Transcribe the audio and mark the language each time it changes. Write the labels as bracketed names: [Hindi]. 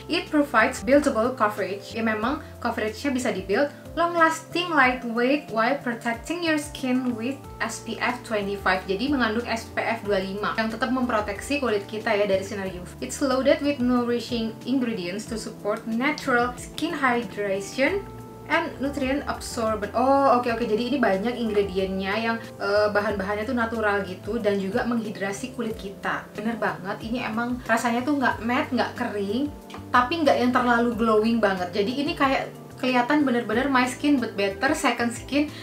[English] It provides buildable coverage. [Indonesian] Ya memang coveragenya bisa dibuild. [English] Long lasting lightweight while protecting your skin with SPF 25. [Indonesian] Jadi mengandung SPF 25 yang tetap memproteksi kulit kita ya dari sinar UV. [English] It's loaded with nourishing ingredients to support natural skin hydration and nutrient absorber. Oh, okay. [Indonesian] Jadi ini banyak ingredientnya yang bahan-bahannya tuh natural gitu, dan juga menghidrasi kulit kita. Bener banget, ini emang rasanya tuh nggak matte, nggak kering, tapi nggak yang terlalu glowing banget. Jadi ini kayak kelihatan bener-bener [English] my skin but better, second skin.